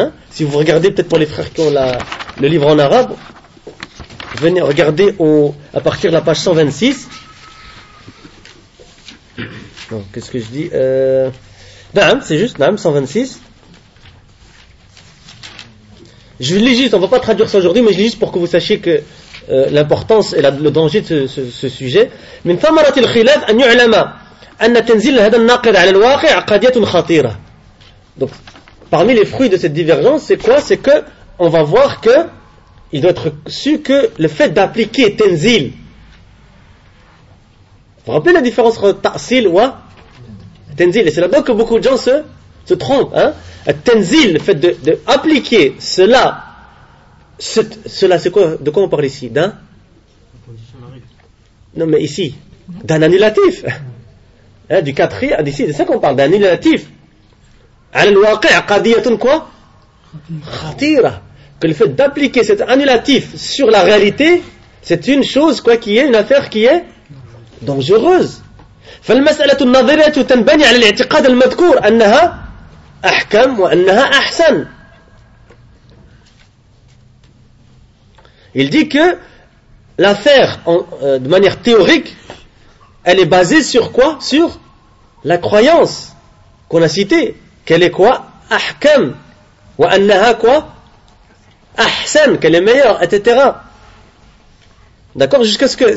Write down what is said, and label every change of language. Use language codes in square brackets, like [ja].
[fr] Si vous regardez, peut-être pour les frères qui ont le livre en arabe, venez regarder à partir de la page 126. Non, qu'est-ce que je dis? Naam, c'est juste Naam 126. Je lis juste, on ne va pas traduire ça aujourd'hui, mais je lis juste pour que vous sachiez que l'importance et le danger de ce sujet. [ar] من ثمرة الخلاف أن يعلم أن تنزيل هذا الناقد على الواقع قضية خطيرة. [fr] Donc, parmi les fruits de cette divergence, c'est quoi? C'est que on va voir que il doit être su que le fait d'appliquer tenzil. Vous rappelez la différence entre ta'sil ou tenzil? Et c'est là-bas que beaucoup de gens se trompent. Tenzil, le fait de appliquer cela, cela c'est quoi? De quoi on parle ici? D'un? Non mais ici, d'un annulatif. Du quatrième, d'ici, c'est ça qu'on parle, d'un annulatif. [ar] Al-waqi' qadiyatun quoi? Khatira. [fr] Que le fait d'appliquer cet annulatif sur la réalité, c'est une chose quoi qui est, une affaire qui est dangereuse. [ar] فالمسألة النظرية تنبني على الاعتقاد المذكور أنها أحكم وأنها أحسن. [fr] Il dit que l'affaire, de manière théorique, elle est basée sur quoi? Sur la croyance. qu'on a cité, qu'elle est quoi? Ahkam. [ar] Wa annaha [fr] quoi? Ahsan, qu'elle est meilleure, etc. D'accord? Jusqu'à ce que.